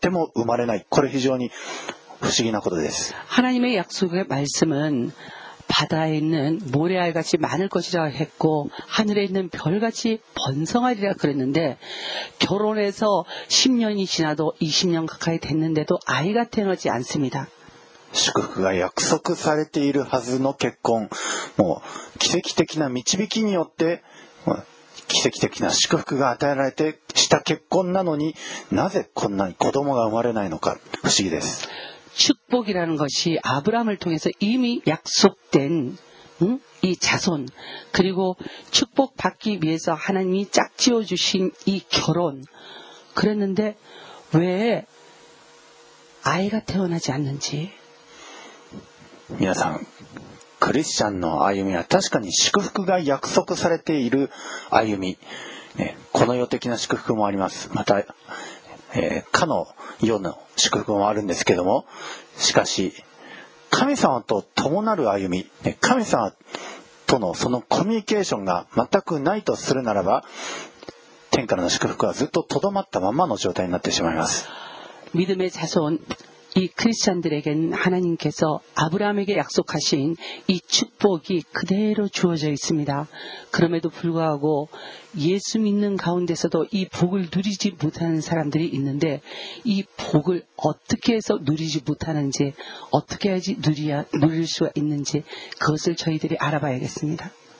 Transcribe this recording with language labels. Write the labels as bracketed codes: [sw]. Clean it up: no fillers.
[ja] おかしいですね。子供、子孫は海の砂粒、空の星々のようになる。それほど増え広がるはずなのに、でも結婚しても子供がもう10年、15年、17、18、19年経っても生まれない。これ非常に不思議なことです。 [ko] 하나님의 약속의 말씀은 바다에 있는 모래알같이 많을 것이라 했고 하늘에 있는 별같이 번성하리라 그랬는데 결혼해서 10년이 지나도 20년 가까이 됐는데도 아이가 태어나지 않습니다. 축복이 약속 [ja] されているはずの結婚、奇跡的な導きによって、奇跡的な祝福が与えられてした結婚なのに、なぜこんなに子供が生まれないのか、不思議です。 [ko] 축복이라는 것이 아브라함을 통해서 이미 약속된 이 자손 그리고 축복받기 위해서 하나님이 짝지어 주신 이 결혼 그랬는데 왜 아이가 태어나지 않는지 여러분 [ja] クリスチャンの歩みは確かに祝福が約束されている歩み、この世的な祝福もあります。また かの世の祝福もあるんですけども、しかし神様と共なる歩み、神様とのそのコミュニケーションが全くないとするならば、天からの祝福はずっと留まったままの状態になってしまいます。 [ko] 믿음의 자손, 이 크리스찬들에게는 하나님께서 아브라함에게 약속하신 이 축복이 그대로 주어져 있습니다. 그럼에도 불구하고 예수 믿는 가운데서도 이 복을 누리지 못하는 사람들이 있는데 이 복을 어떻게 해서 누리지 못하는지 어떻게 해야지 누릴 수 있는지 그것을 저희들이 알아봐야겠습니다.